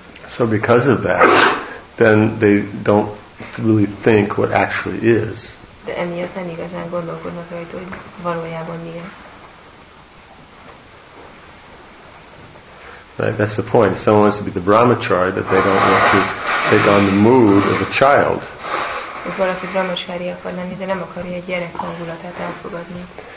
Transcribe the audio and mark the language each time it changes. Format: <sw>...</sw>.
<en>So because of that, then they don't really think what actually is.</en> <hu>De emiatt nem igazán gondolkodnak rajta, hogy valójában mi az.</hu> <en>Right, that's the point. If someone wants to be the brahmachari, that they don't want to take on the mood of a child.</en> <hu>Hogy valaki brahmachari akar lenni, de nem akarja egy gyerek hangulatát elfogadni.</hu>